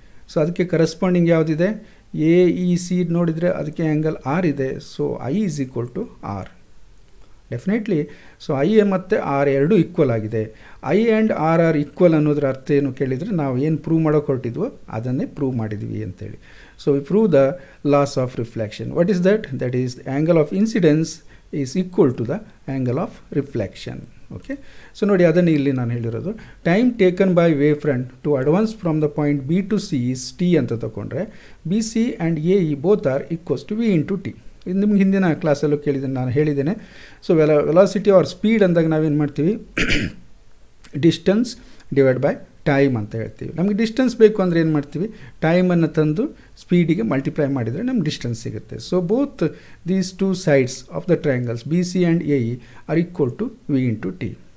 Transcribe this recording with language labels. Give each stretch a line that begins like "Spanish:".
Kannada: So ಅದಕ್ಕೆ corresponding ಯಾವುದಿದೆ, A E C ನೋಡಿದರೆ ಅದಕ್ಕೆ ಆ್ಯಂಗಲ್ ಆರ್ ಇದೆ.
English: So I is equal to R definitely.
Kannada: So I ಮತ್ತು ಆರ್ ಎರಡೂ ಈಕ್ವಲ್ ಆಗಿದೆ. I and R R equal ಅನ್ನೋದ್ರ ಅರ್ಥ ಏನು ಕೇಳಿದರೆ, ನಾವು ಏನು ಪ್ರೂವ್ ಮಾಡೋಕೆ ಹೊರಟಿದ್ವೋ ಅದನ್ನೇ ಪ್ರೂವ್ ಮಾಡಿದ್ವಿ ಅಂತೇಳಿ.
English: So we prove the loss of reflection. What is that? That is the angle of incidence is equal to the angle of reflection. Okay.
Kannada: So nodi adanna illi nanu helirodu.
English: Time taken by wavefront to advance from the point B to C is T anta takondre. BC and AE both are equals to V into T.
Kannada: ಇದು ನಿಮ್ಗೆ ಹಿಂದಿನ ಕ್ಲಾಸಲ್ಲೂ ಕೇಳಿದ್ದೀನಿ ನಾನು ಹೇಳಿದ್ದೇನೆ. So velocity R speed ಅಂದಾಗ ನಾವೇನು ಮಾಡ್ತೀವಿ, distance divide by time ಅಂತ ಹೇಳ್ತೀವಿ. ನಮಗೆ ಡಿಸ್ಟೆನ್ಸ್ ಬೇಕು ಅಂದರೆ ಏನು ಮಾಡ್ತೀವಿ, ಟೈಮನ್ನು ತಂದು ಸ್ಪೀಡಿಗೆ ಮಲ್ಟಿಪ್ಲೈ ಮಾಡಿದರೆ ನಮ್ಗೆ ಡಿಸ್ಟೆನ್ಸ್ ಸಿಗುತ್ತೆ.
English: So both these two sides of the triangles B C and A E are equal to V into T.